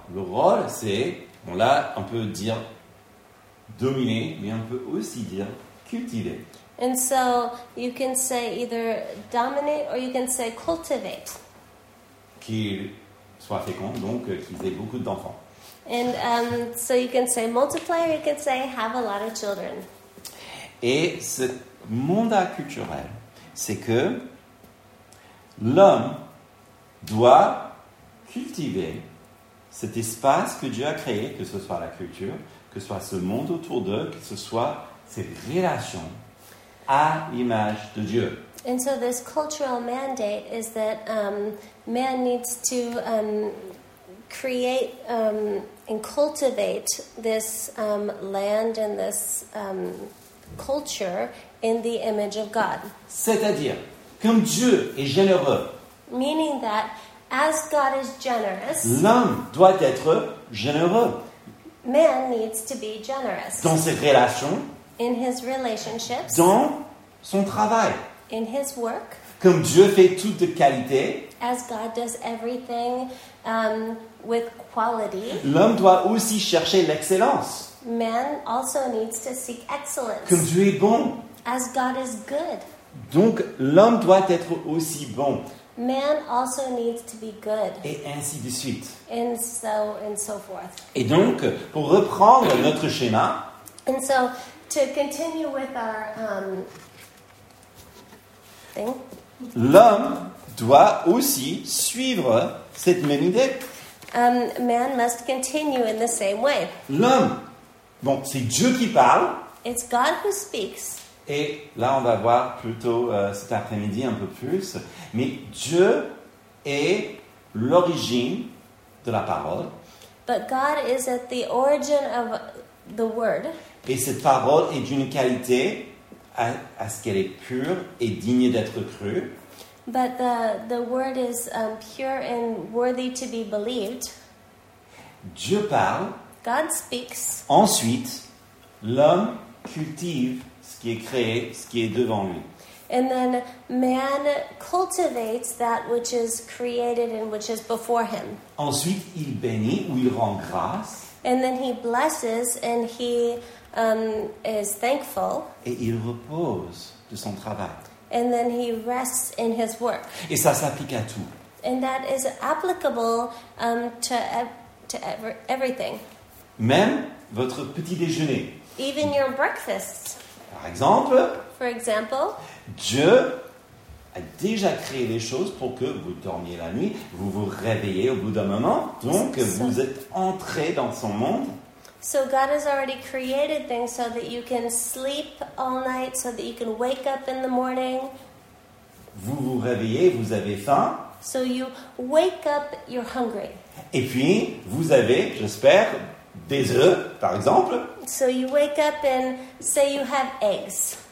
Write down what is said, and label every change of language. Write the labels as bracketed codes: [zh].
[fr] Le rôle, c'est, on peut dire dominer, mais on peut aussi dire cultiver. [en] And so, you can say either dominate or you can say cultivate. [fr] Qu'il soit fécond, donc qu'ils aient beaucoup d'enfants. [en] And so you can say multiply, or you can say have a lot of children. [fr] Et ce mandat culturel, c'est que l'homme doit cultiver cet espace que Dieu a créé, que ce soit la culture, que ce soit ce monde autour d'eux, que ce soit ses relations à l'image de Dieu. [en] And so this cultural mandate is that man needs to create and cultivate this land and this culture in the image of God. [fr] C'est-à-dire, comme Dieu est généreux, [en] meaning that as God is generous, [fr] l'homme doit être généreux. [en] Man needs to be generous. [fr] Dans ses relations, [en] in his relationships, [fr] dans son travail, [en] in his work, [fr] comme Dieu fait tout de qualité, [en] as God does everything with quality, [fr] l'homme doit aussi chercher l'excellence. [en] Man also needs to seek excellence. [fr] Comme Dieu est bon, [en] as God is good. [fr] Donc l'homme doit être aussi bon. [en] Man also needs to be good. [fr] Et ainsi de suite. [en] And so and so forth. [fr] Et donc pour reprendre notre schéma. [en] And so to continue with our thing. [fr] L'homme doit aussi suivre cette même idée. [en] Man must continue in the same way. [fr] L'homme, bon, c'est Dieu qui parle. [en] It's God who speaks. [fr] Et là, on va voir plutôt cet après-midi un peu plus. Mais Dieu est l'origine de la parole. [en] But God is at the origin of the word. [fr] Et cette parole est d'une qualité à ce qu'elle est pure et digne d'être crue. [en] But the word is pure and worthy to be believed. [fr] Dieu parle. [en] God speaks. [fr] Ensuite, l'homme cultive ce qui est créé, ce qui est devant lui. [en] And then man cultivates that which is created and which is before him. [fr] Ensuite, il bénit ou il rend grâce. [en] And then he blesses and he is thankful. [fr] Et il repose de son travail. [en] And then he rests in his work. [fr] Et ça s'applique à tout. [en] And that is applicable to everything. [fr] Même votre petit déjeuner. [en] Even your breakfast. [fr] Par exemple. [en] For example. [fr] Dieu a déjà créé les choses pour que vous dormiez la nuit, vous vous réveillez au bout d'un moment, donc vous êtes entré dans son monde. [en] So God has already created things so that you can sleep all night, so that you can wake up in the morning. [fr] Vous vous réveillez, vous avez faim. [en] So you wake up, you're hungry. [fr] Et puis, vous avez, j'espère, des œufs, par exemple. [en] So you wake up and say you have eggs.